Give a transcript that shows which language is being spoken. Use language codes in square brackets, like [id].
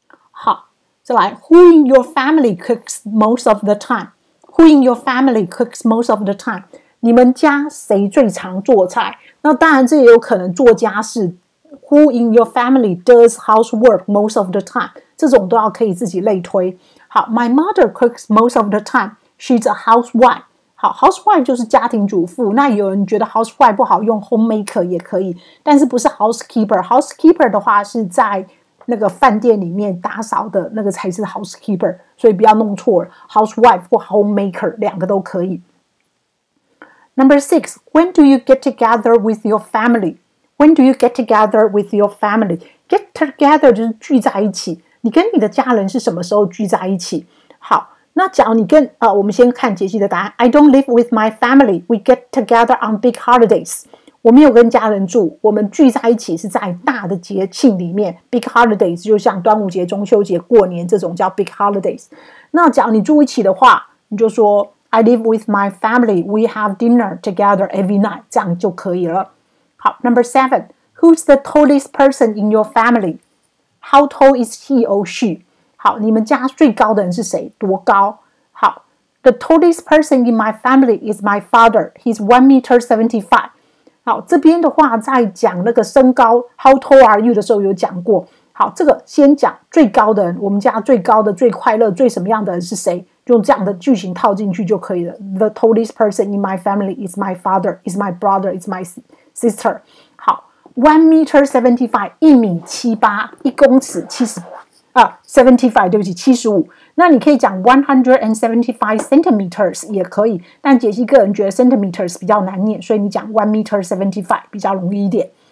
[en] 好，再来， Who in your family cooks most of the time? Who in your family cooks most of the time? [zh] 你们家谁最常做菜？那当然这也有可能做家事。 [en] Who in your family does housework most of the time? [zh] 这种都要可以自己类推。 [en] 好， My mother cooks most of the time. She's a housewife. 好， housewife [zh] 就是家庭主妇。那有人觉得 housewife 不好用， homemaker 也可以，但是不是 housekeeper。 housekeeper 的话是在那个饭店里面打扫的那个才是 housekeeper， 所以不要弄错了， housewife 或 homemaker 两个都可以。 [en] Number six, When do you get together with your family? When do you get together with your family? [zh] Get together 就是聚在一起。你跟你的家人是什么时候聚在一起？好，那假如你跟我们先看杰西的答案。 [en] I don't live with my family. We get together on big holidays. [zh] 我没有跟家人住，我们聚在一起是在大的节庆里面。 Big holidays 就像端午节、中秋节、过年这种叫 big holidays。那假如你住一起的话，你就说 [en] I live with my family. We have dinner together every night. [zh] 这样就可以了。 [en] 好， number seven, who's the tallest person in your family? How tall is he or she? [zh] 好，你们家最高的人是谁？多高？ [en] 好， the tallest person in my family is my father. He's 1.75 meters. [zh] 好，这边的话在讲那个身高 ， [en] How tall are you [zh] 的时候有讲过。好，这个先讲最高的人，我们家最高的、最快乐、最什么样的人是谁？用这样的句型套进去就可以了。 [en] The tallest person in my family is my father. Is my brother. Is my sister. [zh] 好， 1.75 meters, 一米七八，一公尺七十啊 ，75， 对不起，七十五。那你可以讲 175 centimeters 也可以，但杰西个人觉得 centimeters 比较难念，所以你讲 1.75 meters 比较容易一点。